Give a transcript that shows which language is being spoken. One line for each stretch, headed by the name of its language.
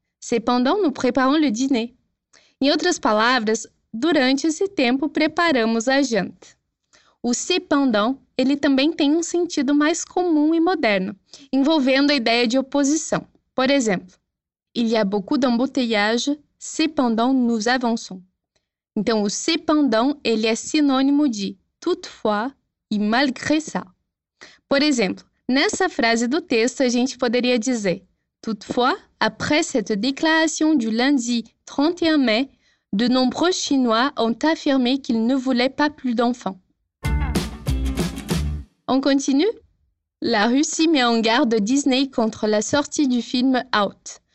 French: Cependant, nous préparons le dîner.
Portuguese: Em outras palavras, durante esse tempo preparamos a janta. O cependant, ele também tem um sentido mais comum e moderno, envolvendo a ideia de oposição. Por exemplo,
French: Il y a beaucoup d'embouteillages, cependant nous avançons.
Portuguese: Então, o cependant, ele é sinônimo de toutefois e malgré ça. Por exemplo, nessa frase do texto, a gente poderia dizer:
French: Toutefois, après cette déclaration du lundi 31 mai, de nombreux Chinois ont affirmé qu'ils ne voulaient pas plus d'enfants. On continue? La Russie met en garde Disney contre la sortie du film Out.